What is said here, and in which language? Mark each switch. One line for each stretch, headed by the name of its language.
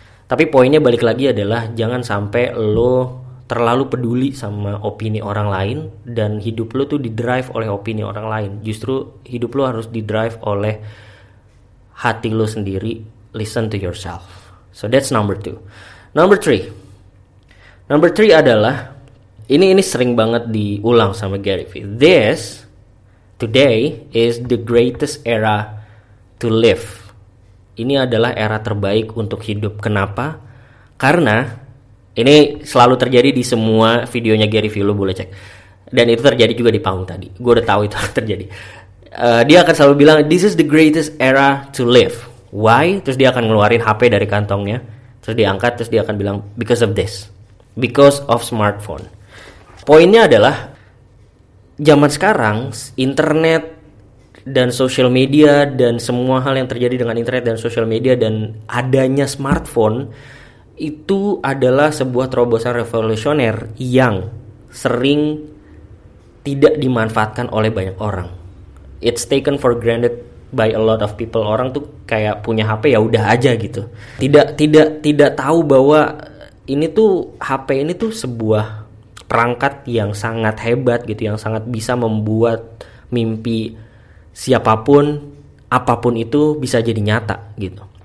Indonesian: Tapi poinnya balik lagi adalah jangan sampai lo terlalu peduli sama opini orang lain, dan hidup lo tuh didrive oleh opini orang lain. Justru hidup lo harus didrive oleh hati lo sendiri.
English: Listen to yourself. So that's number two. Number three
Indonesian: adalah ini sering banget diulang sama Gary Vee.
English: This today is the greatest era to live.
Indonesian: Ini adalah era terbaik untuk hidup. Kenapa? Karena ini selalu terjadi di semua videonya Gary Vee, lo boleh cek. Dan itu terjadi juga di panggung tadi. Gue udah tahu itu terjadi. Dia akan selalu bilang,
English: "This is the greatest era to live." Why?
Indonesian: Terus dia akan ngeluarin HP dari kantongnya. Terus diangkat, terus dia akan bilang,
English: "Because of this. Because of smartphone."
Indonesian: Poinnya adalah, zaman sekarang, internet dan social media dan semua hal yang terjadi dengan internet dan social media dan adanya smartphone itu adalah sebuah terobosan revolusioner yang sering tidak dimanfaatkan oleh banyak orang.
English: It's taken for granted by a lot of people.
Indonesian: Orang tuh kayak punya HP ya udah aja gitu. Tidak tahu bahwa ini tuh HP ini tuh sebuah perangkat yang sangat hebat gitu, yang sangat bisa membuat mimpi siapapun, apapun itu bisa jadi nyata gitu.